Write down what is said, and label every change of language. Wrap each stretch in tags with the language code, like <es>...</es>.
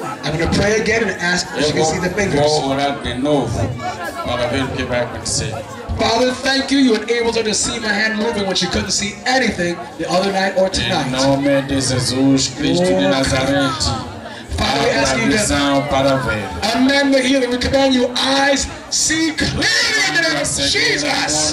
<en>I'm going to pray again and ask if she can see the fingers.</en> <pt>Vou orar de novo para ver o que vai acontecer.</pt> <en>Father, thank you. You enabled her to see my hand moving when she couldn't see anything the other night or tonight.</en> <pt>Em nome de Jesus Cristo de Nazarete.</pt> <en>Father, we ask you to amend the healing. We command your eyes see clearly in the name of Jesus.</en>